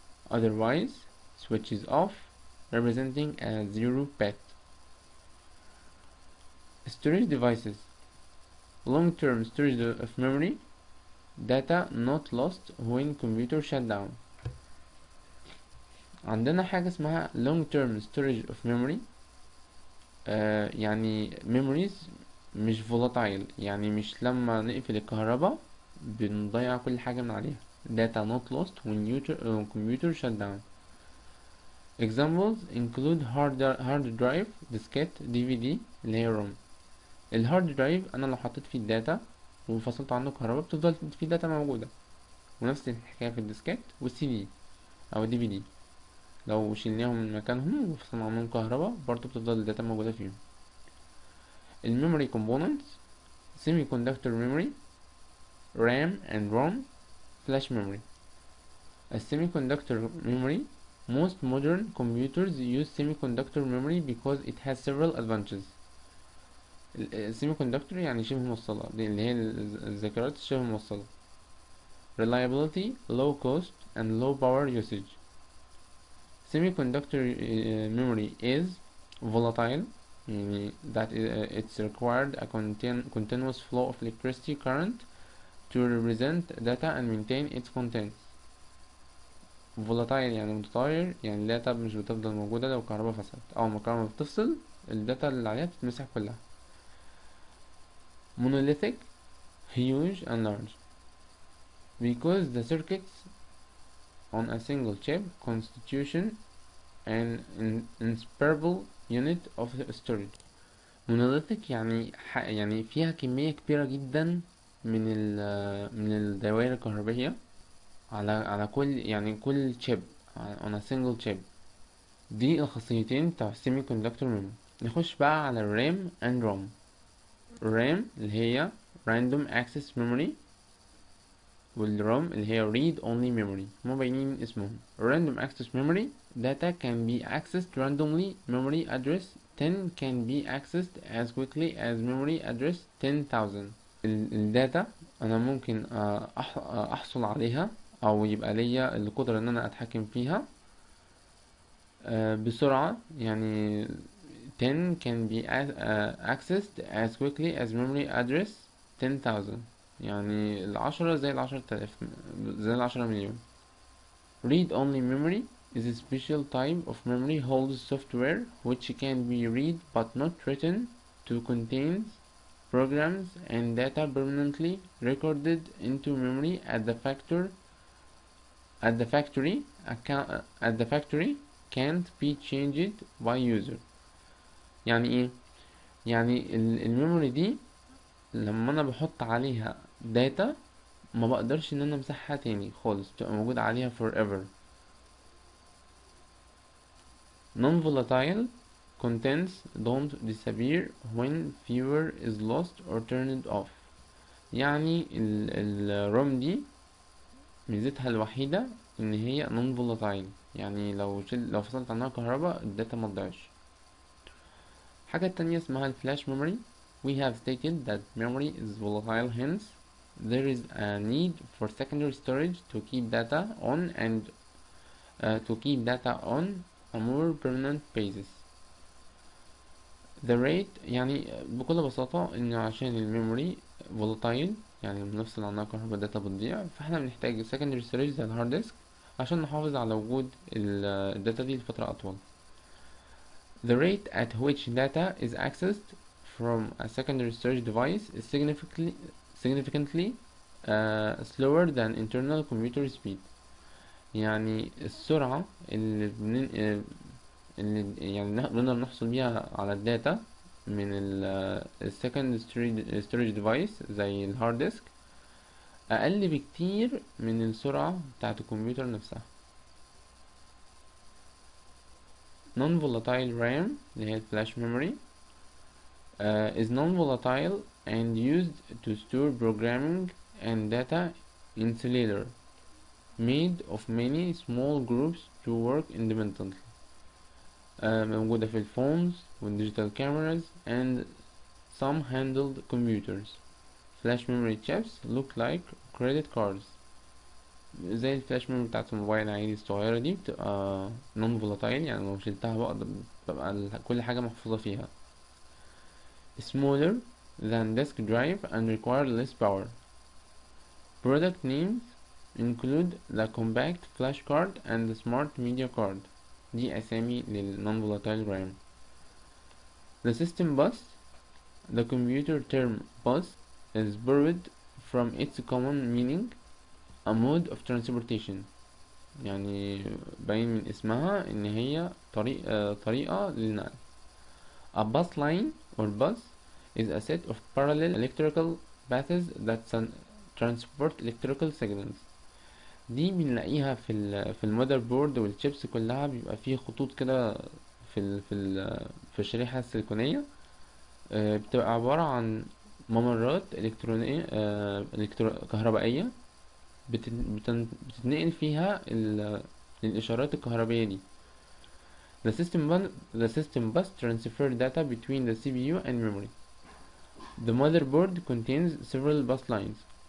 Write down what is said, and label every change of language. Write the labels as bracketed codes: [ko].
[en] Otherwise, switch is off, representing a 0 bit. Storage devices. Long-term storage of memory. Data not lost when computer shutdown. [ar] عندنا حاجة اسمها [en] long-term storage of memory. [ar] يعني memories مش volatile يعني مش لما نقفل الكهرباء بنضيع كل حاجة من عليها. [en] Data not lost when computer shut down. Examples include hard drive, diskette, DVD, layer room. [ar] الهارد درايف انا لو حطيت فيه الداتا وفصلت عنه الكهرباء بتفضل فيه الداتا موجودة. ونفس الحكاية في الديسكيت والسي دي او الدي في دي لو شلناهم من مكانهم وفصلنا عنهم الكهرباء برضو بتفضل الداتا موجودة فيهم. [en] الميموري كومبوننتس سيمي كوندكتور ميموري رام اند روم فلاش ميموري. السيمي كوندكتور ميموري most modern computers use سيمي كوندكتور ميموري because it has several advantages. [ar] السيمي كوندكتور يعني شبه موصلة اللي هي الذاكرات الشبه موصلة. [en] reliability, low cost, and low power usage. Semiconductor memory is volatile, meaning that it's required a continuous flow of electricity current to represent data and maintain its contents. [ar] Volatile يعني متغير, يعني data مش بتفضل موجودة لو الكهرباء فصلت, أو ما الكهرباء بتفصل الداتا اللي عليها بتتمسح كلها. [en] Monolithic, huge and large, because the circuits on a single chip constitution an inseparable unit of storage. [ar] Monolithic يعني فيها كمية كبيرة جدا من الدوائر الكهربية على كل يعني كل [en] chip on a single chip. [ar] دي الخاصيتين بتاع السيمي كوندكتور ميموري. نخش بقى على الرام [en] and ROM. [ar] الرام اللي هي random access memory, والروم اللي هي read only memory. مو باينين اسمهم. [en] random access memory data can be accessed randomly. memory address 10 can be accessed as quickly as memory address 10,000. [ar] الداتا انا ممكن احصل عليها او يبقى ليا القدرة ان انا اتحكم فيها بسرعة, يعني [en] 10 can be accessed as quickly as memory address 10,000, [ar] يعني العشرة زي العشرة تلاف زي العشرة مليون. [en] read only memory is a special type of memory holds software which can be read but not written to contain programs and data permanently recorded into memory at the factory can't be changed by user. [ar] يعني ايه؟ يعني الميموري دي لما انا بحط عليها داتا ما بقدرش ان انا امسحها تاني خالص, بتبقى موجود عليها forever. [en] non-volatile contents don't disappear when fewer is lost or turned off. [ar] يعني الروم دي ميزتها الوحيدة ان هي non-volatile, يعني لو فصلت عنها كهرباء الداتا ما تضيعش. حاجة تانية اسمها flash memory. [en] We have stated that memory is volatile, hence there is a need for secondary storage to keep data on and to keep data on a more permanent basis. The rate [ar] يعني بكل بساطة انه عشان الميموري volatile يعني بنفصل عنها كهرباء الداتا بتضيع, فاحنا بنحتاج secondary storage زي الهارد ديسك عشان نحافظ على وجود الداتا دي لفترة اطول. [en] The rate at which data is accessed from a secondary storage device is significantly slower than internal computer speed. [ar] يعني السرعة اللي بنقدر نحصل بيها على الداتا من [en] secondary storage device [ar] زي الهارد ديسك أقل بكتير من السرعة بتاعت الكمبيوتر نفسها. [en] Non-volatile RAM, [ar] اللي هي [en] flash memory, is non-volatile and used to store programming and data in cellular, made of many small groups to work independently. [ar] موجودة في الفونز والديجيتال كاميراز [en] and some handled computers. Flash memory chips look like credit cards. [ar] زي الفلاش ميموري بتاعت الموبايل عادي الصغيرة دي بتبقى نون فولاتايل, يعني لو شلتها بقى كل حاجة محفوظة فيها. [en] smaller than disk drive and require less power. product names include the compact flash card and the smart media card. [ar] دي اسامي للنون فولاتايل رام. [en] the system bus, the computer term bus is borrowed from its common meaning, a mode of transportation. [ar] يعني باين من اسمها ان هي طريقة للنقل. [en] a bus line or bus is a set of parallel electrical paths that transport electrical signals. [ar] دي بنلاقيها في المذر بورد والشيبس كلها, بيبقى فيه خطوط كده في الشريحة السلكونية, بتبقى عبارة عن ممرات الكترونية كهربائية بتتنقل فيها الإشارات الكهربائية دي. [en] The system bus transfer data between the CPU and memory. The motherboard contains several bus lines.